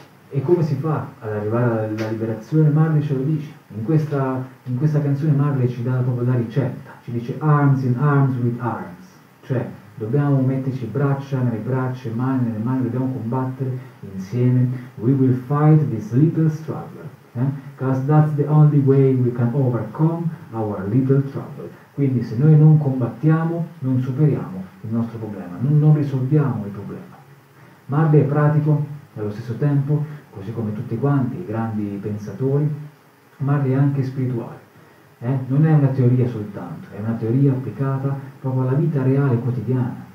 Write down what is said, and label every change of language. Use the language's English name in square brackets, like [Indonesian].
[Italian] E come si fa ad arrivare alla liberazione? Marley ce lo dice. In questa canzone Marley ci dà proprio la ricetta. Ci dice: [English] arms in arms with arms. [Italian] Cioè, dobbiamo metterci braccia nelle braccia, mani nelle mani, dobbiamo combattere insieme. [English] We will fight this little struggle. Because that's the only way we can overcome our little trouble. [Italian] Quindi se noi non combattiamo, non superiamo il nostro problema, non risolviamo il problema. Marley è pratico, allo stesso tempo, così come tutti quanti i grandi pensatori, Marley è anche spirituale. Non è una teoria soltanto, è una teoria applicata proprio alla vita reale quotidiana.